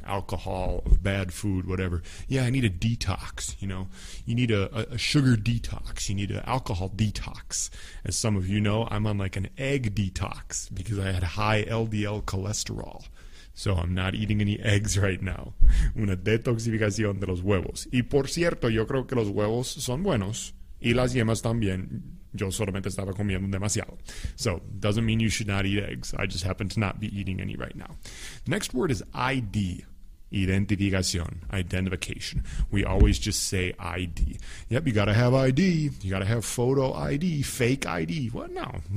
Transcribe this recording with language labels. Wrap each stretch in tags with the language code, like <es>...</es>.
<en>Alcohol, bad food, whatever. Yeah, I need a detox, you know. You need a sugar detox. You need an alcohol detox. As some of you know, I'm on like an egg detox because I had high LDL cholesterol. So I'm not eating any eggs right now.</en> <es>Una detoxificación de los huevos. Y por cierto, yo creo que los huevos son buenos. Y las yemas también. Yo solamente estaba comiendo demasiado.</es> <en>So, doesn't mean you should not eat eggs. I just happen to not be eating any right now. Next word is ID. Identificación. Identification. We always just say ID. Yep, you gotta have ID. You gotta have photo ID. Fake ID. What? No.</en>